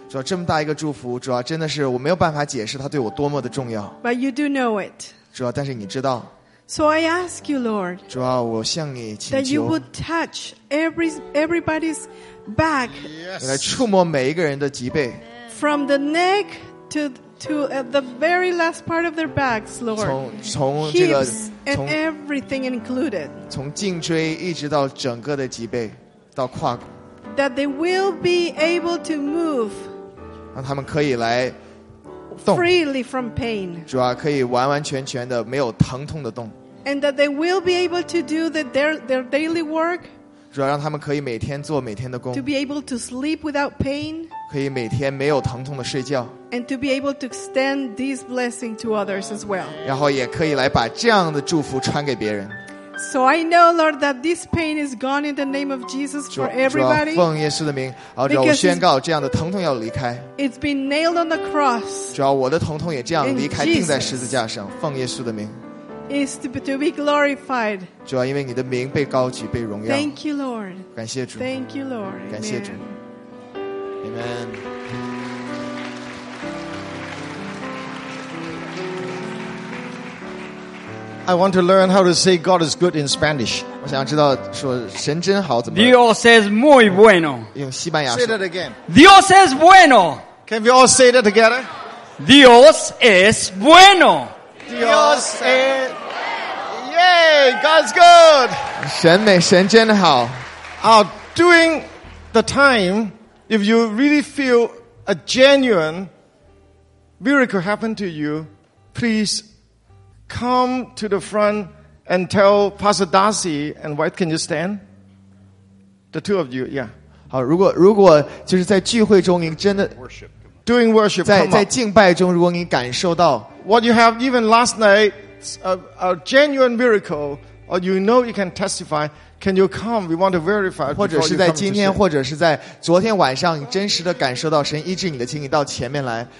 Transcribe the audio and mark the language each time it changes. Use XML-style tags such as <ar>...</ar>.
<zh>主啊，这么大一个祝福，主啊，真的是我没有办法解释它对我多么的重要。</zh> <en>But you do know it.</en> <zh>主啊，但是你知道。</zh> <en>So I ask you, Lord.</en> <zh>主啊，我向你请求。</zh> <en>That you would touch everybody's back.</en> <zh>Yes. 来触摸每一个人的脊背。</zh> <en>From the neck to the very last part of their backs, Lord.</en> <zh>从这个</zh> <en>Hips and everything included.</en> <zh>从颈椎一直到整个的脊背，到胯骨。</zh> <en>That they will be able to move.</en> <zh>让他们可以来动。</zh> <en>Freely from pain.</en> <zh>主啊，可以完完全全的没有疼痛的动。</zh> <en>And that they will be able to do their daily work.</en> <zh>主啊，让他们可以每天做每天的工。</zh> <en>To be able to sleep without pain.</en> <zh>可以每天没有疼痛的睡觉。</zh> <en>And to be able to extend this blessing to others as well.</en> <zh>然后也可以来把这样的祝福传给别人。</zh> <en>So I know, Lord, that this pain is gone in the name of Jesus for everybody.</en> <zh>主要奉耶稣的名，然后我宣告这样的疼痛要离开。</zh> <en>It's been nailed on the cross.</en> <zh>主要我的疼痛也这样离开，钉在十字架上，奉耶稣的名。</zh> <en>Is to be glorified.</en> <zh>主要因为你的名被高举，被荣耀。</zh> <en>Thank you, Lord.</en> <zh>感谢主。</zh> <en>Thank you, Lord.</en> <zh>感谢主。Amen.</zh> <en>I want to learn how to say God is good in Spanish.</en> <zh>我想知道说神真好怎么</zh> <es>Dios es muy bueno.</es> <zh>用西班牙</zh> <en>说 Say that again.</en> <es>Dios es bueno.</es> <en>Can we all say that together?</en> <es>Dios es bueno. Dios es</es> <en>Yay! God's good.</en> <zh>神美神真好</zh> <en>During the time. If you really feel a genuine miracle happen to you, please come to the front and tell Pastor Darcy and White, can you stand? The two of you, yeah.</en> <zh>好，如果就是在聚会中您真的</zh> <en>doing worship,</en> <zh>在敬拜中，如果您感受到</zh> <en>what you have even last night, a genuine miracle, or you know you can testify, Can you come? We want to verify.</en> <zh>或者是在今天，或者是在昨天晚上，你真实的感受到神医治你的，请你到前面来。</zh>